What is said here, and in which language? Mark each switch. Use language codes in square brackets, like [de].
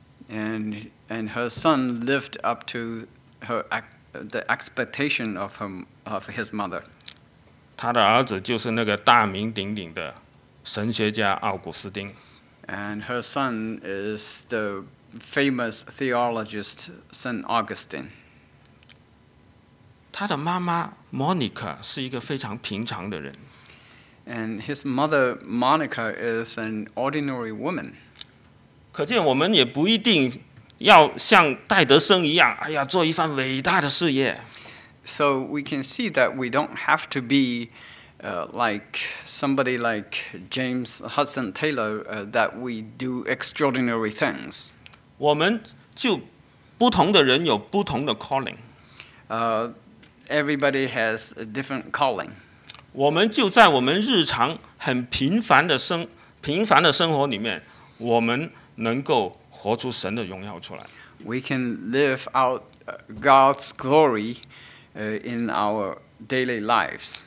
[en] And her son lived up to the expectation of his mother. [zh] 他的儿子就是那个大名鼎鼎的神学家奥古斯丁。 [en] And her son is the famous theologist Saint Augustine. [zh] 他的妈妈 Monica 是一个非常平常的人。 [en] And his mother Monica is an ordinary woman. [zh] 可见我们也不一定要像戴德生一样，哎呀，做一番伟大的事业。 [en] So we can see that we don't have to be like somebody like James Hudson Taylor that we do extraordinary things. [zh] 我们就不同的人有不同的 calling. [en] Everybody has a different calling. [zh] 我们就在我们日常很平凡的生活里面，我们能够活出神的荣耀出来。 [en] We can live out God's glory in our daily lives.